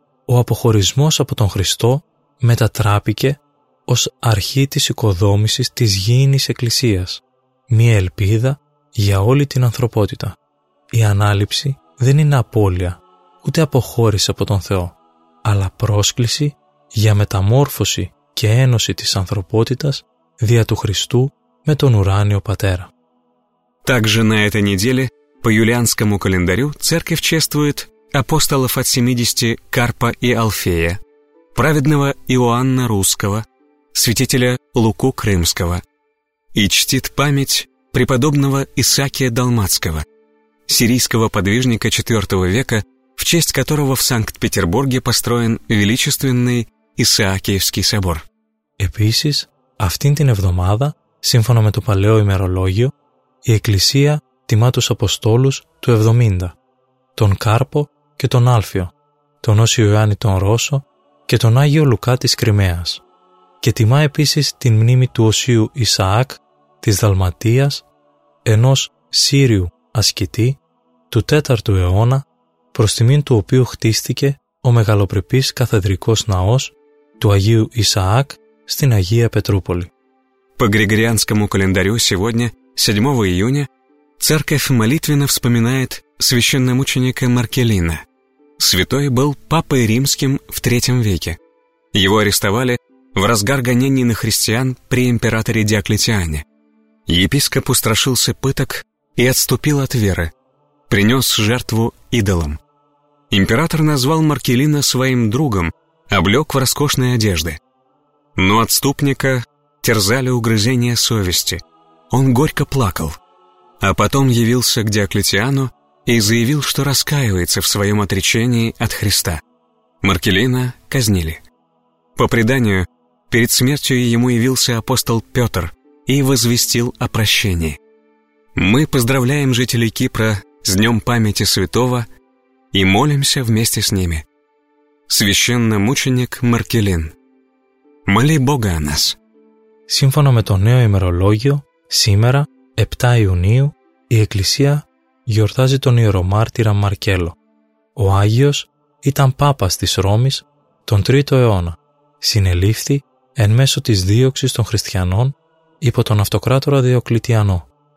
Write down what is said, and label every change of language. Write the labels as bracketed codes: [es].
[el] Ο αποχωρισμός από τον Χριστό μετατράπηκε ως αρχή της οικοδόμησης της γήινης εκκλησίας, μία ελπίδα για όλη την ανθρωπότητα. Η ανάληψη δεν είναι απώλεια, ούτε αποχώρηση από τον Θεό, αλλά πρόσκληση για μεταμόρφωση και ένωση της ανθρωπότητας δια του Χριστού με τον Ουράνιο Πατέρα. [ru] Также на этой неделе по юлианскому календарю церковь чествует апостолов от 70 Карпа и Алфея, праведного Иоанна Русского, святителя Луку Крымского и чтит память преподобного Исаакия Далмацкого, сирийского подвижника IV века, в честь которого в Санкт-Петербурге построен величественный Исаакиевский собор. [el] Επίσης, αυτήν την εβδομάδα, σύμφωνα με το παλαιό ημερολόγιο, η Εκκλησία τιμά τους Αποστόλους του 70, τον Κάρπο και τον Άλφιο, τον Όσιο Ιωάννη τον Ρώσο και τον Άγιο Λουκά της Κρυμαίας. Και τιμά επίσης την μνήμη του Οσίου Ισαάκ της Δαλματίας, ενός Σύριου ασκητή του 4ου αιώνα, προς τιμήν του οποίου χτίστηκε ο μεγαλοπρεπής καθεδρικός ναός του Αγίου Ισαάκ στην Αγία Πετρούπολη. [ru] По Григорианскому календарю сегодня, 7 июня, церковь молитвенно вспоминает священномученика Маркеллина. Святой был папой римским в III веке. Его арестовали в разгар гонений на христиан при императоре Диоклетиане. Епископ устрашился пыток и отступил от веры, принес жертву идолам. Император назвал Маркеллина своим другом, облег в роскошные одежды. Но отступника терзали угрызения совести. Он горько плакал, а потом явился к Диоклетиану и заявил, что раскаивается в своем отречении от Христа. Маркеллина казнили. По преданию, перед смертью ему явился апостол Петр и возвестил о прощении. Мы поздравляем жителей Кипра с Днем памяти святого и молимся вместе с ними. Священномученик Маркеллин, моли Бога о нас. [el] Σύμφωνα με το νέο ημερολόγιο, σήμερα, 7 Ιουνίου, η Εκκλησία γιορτάζει τον ιερομάρτυρα Μαρκέλο. Ο Άγιος ήταν πάπας της Ρώμης τον 3ο αιώνα. Συνελήφθη εν μέσω της δίωξης των χριστιανών υπό τον αυτοκράτορα Διοκλητιανό.